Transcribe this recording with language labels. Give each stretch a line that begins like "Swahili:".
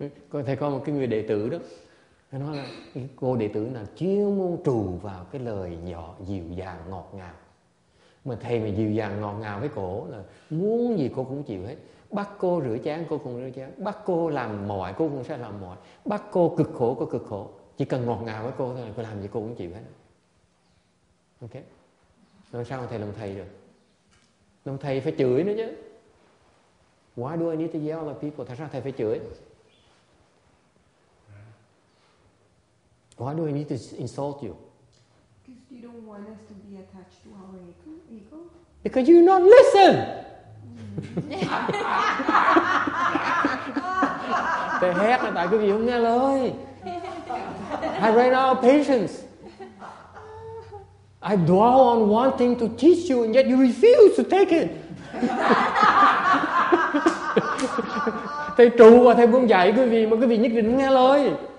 Vietnamese: Còn thầy có một cái người đệ tử đó, nó nói là cái cô đệ tử nào chuyên môn trù vào cái lời nhỏ dịu dàng ngọt ngào, mà thầy mà dịu dàng ngọt ngào với cổ là muốn gì cô cũng chịu hết, bắt cô rửa chén cô cũng rửa chén, bắt cô làm mọi cô cũng sẽ làm mọi, bắt cô cực khổ cô cực khổ, chỉ cần ngọt ngào với cô thôi là cô làm gì cô cũng chịu hết. Okay. Làm sao thầy làm thầy được? Làm thầy phải chửi nữa chứ.
English: Why do I need to yell at people?
Vietnamese: Tại sao thầy phải chửi?
English: Why do I need to insult you? Because you don't want us to be attached to our ego. Because you not listen.
Vietnamese: Thầy hét là tại quý vị không nghe lời.
English: I ran out of patience. I dwell on one thing to teach you, and yet you refuse to take it.
Vietnamese: Thầy trụ và thầy muốn dạy quý vị, mà quý vị nhất định nghe lời.